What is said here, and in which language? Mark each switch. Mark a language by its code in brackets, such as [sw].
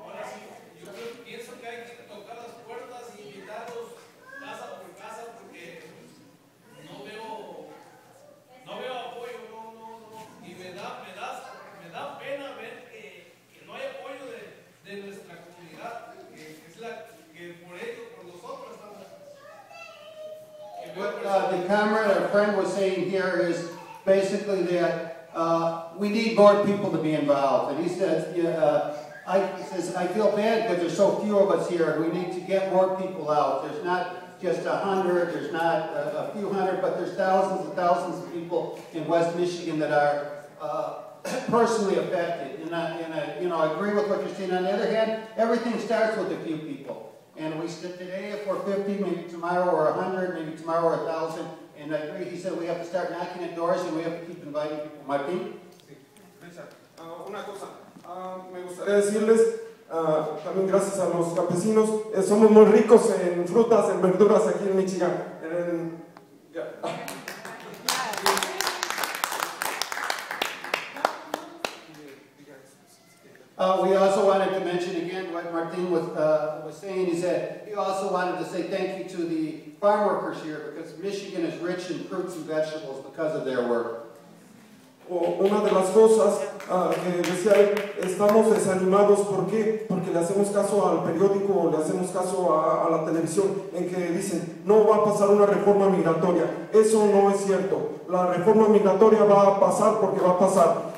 [es] Ahora sí, yo pienso que hay que tocar las puertas e invitarlos casa por casa, porque no veo apoyo, no. Y me da pena ver que no hay apoyo de nuestra comunidad, que es la que por ello, por nosotros estamos. [en] What the camera, our friend was saying here is basically that we need more people to be involved. And he says, I feel bad because there's so few of us here. We need to get more people out. There's not just 100, there's not a few hundred, but there's thousands and thousands of people in West Michigan that are personally affected. I agree with what you're saying. On the other hand, everything starts with a few people. And we said today, if we're 50, maybe tomorrow we're 100, maybe tomorrow we're 1,000. And I agree, he said we have to start knocking at doors and we have to keep inviting people. Martín? [es] Una cosa, me gustaría decirles, también gracias a los campesinos, somos muy ricos en frutas, en verduras aquí en Michigan. [en] We also wanted to mention again what Martin was saying. He said he also wanted to say thank you to the farm workers here because Michigan is rich in fruits and vegetables because of their work. [es] Una de las cosas que decía él, estamos desanimados, ¿por qué? Porque le hacemos caso al periódico, le hacemos caso a la televisión, en que dicen, no va a pasar una reforma migratoria. Eso no es cierto. La reforma migratoria va a pasar porque va a pasar.